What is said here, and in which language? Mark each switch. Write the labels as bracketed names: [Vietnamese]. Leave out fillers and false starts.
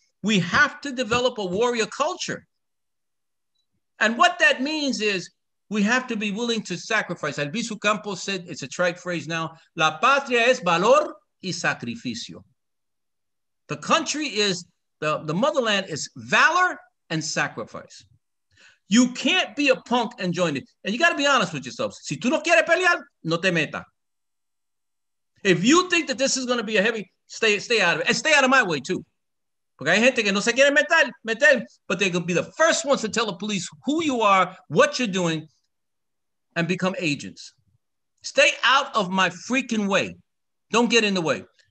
[English] We have to develop a warrior culture. And what that means is we have to be willing to sacrifice. Albizu Campos said, it's a trite phrase now, [Spanish] la patria es valor y sacrificio. [English] The country is, the motherland is valor and sacrifice. You can't be a punk and join it. And you got to be honest with yourself. [Spanish] Si tú no quieres pelear, no te meta. [English] If you think that this is going to be a heavy, stay out of it. And stay out of my way, too. [Spanish] Porque hay gente que no se quiere meter, [English] but they're going to be the first ones to tell the police who you are, what you're doing, and become agents. Stay out of my freaking way. Don't get in the way.